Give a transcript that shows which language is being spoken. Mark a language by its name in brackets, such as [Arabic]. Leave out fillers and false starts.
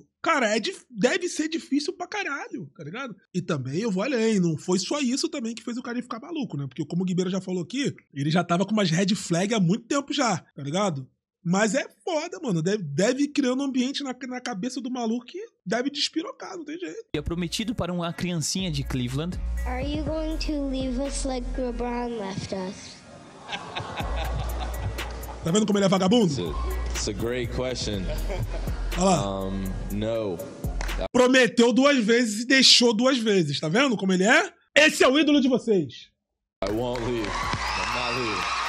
[Portuguese] Cara, deve ser difícil pra caralho, tá ligado? E também eu vou além, não foi só isso também que fez o cara ficar maluco, né? Porque como o Guibeira já falou aqui, ele já tava com umas red flag há muito tempo já, tá ligado? Mas é foda, mano. Deve ir criando um ambiente na cabeça do maluco que deve despirocar, não tem jeito. E é prometido para uma criancinha de Cleveland. [English] Are you going to leave us like LeBron left us? [Portuguese] Tá vendo como ele é vagabundo? [English] It's a great question. [Portuguese] Olha lá. [English] No. [Portuguese] Prometeu duas vezes e deixou duas vezes, tá vendo como ele é? Esse é o ídolo de vocês. [English] I won't leave. I'm not leaving.